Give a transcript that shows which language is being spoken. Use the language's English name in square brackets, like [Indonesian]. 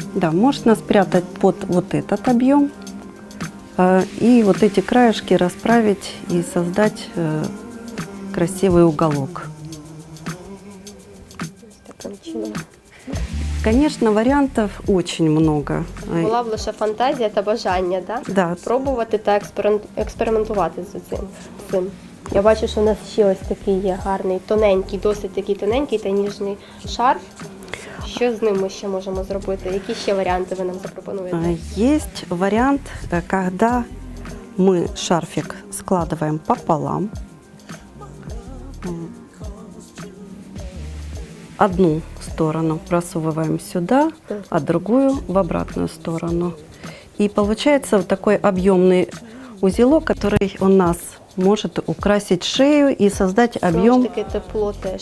[Russian] Да, можно спрятать под вот этот объем и вот эти краешки расправить и создать красивый уголок. Конечно, вариантов очень много. [Ukrainian] Була б лише фантазія та бажання, да? [Russian] Да. [Ukrainian] Пробувати та експериментувати з цим. Я бачу, що у нас ще ось такий є гарний, тоненький, досить такий тоненький та ніжний шарф. Що з ним ми ще можемо зробити? Які ще варіанти ви нам запропонуєте? Є варіант, коли ми шарфик складаємо пополам. [Russian] Одну сторону просовываем сюда, а другую в обратную сторону. И получается вот такой объемный узелок, который у нас может украсить шею и создать объем. Слушайте, это плотное.